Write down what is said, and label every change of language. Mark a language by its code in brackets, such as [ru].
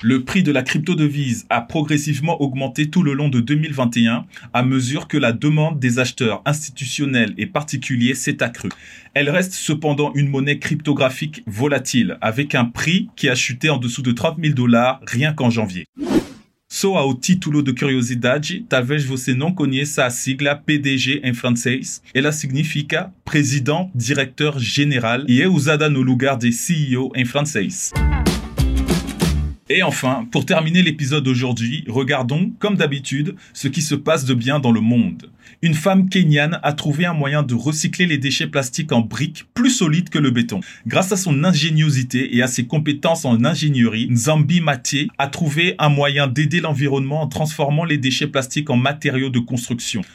[fr] Le prix de la crypto-devise a progressivement augmenté tout le long de 2021 à mesure que la demande des acheteurs institutionnels et particuliers s'est accrue. Elle reste cependant une monnaie cryptographique volatile, avec un prix qui a chuté en dessous de 30 000 dollars rien qu'en janvier. [pt] Só ao título de curiosidade, talvez você não conheça a sigla PDG em francês. Ela significa Président Directeur Général e é usada no lugar de CEO em francês. [fr] Et enfin, pour terminer l'épisode d'aujourd'hui, regardons, comme d'habitude, ce qui se passe de bien dans le monde. Une femme kényane a trouvé un moyen de recycler les déchets plastiques en briques plus solides que le béton. Grâce à son ingéniosité et à ses compétences en ingénierie, Nzambi Maté a trouvé un moyen d'aider l'environnement en transformant les déchets plastiques en matériaux de construction.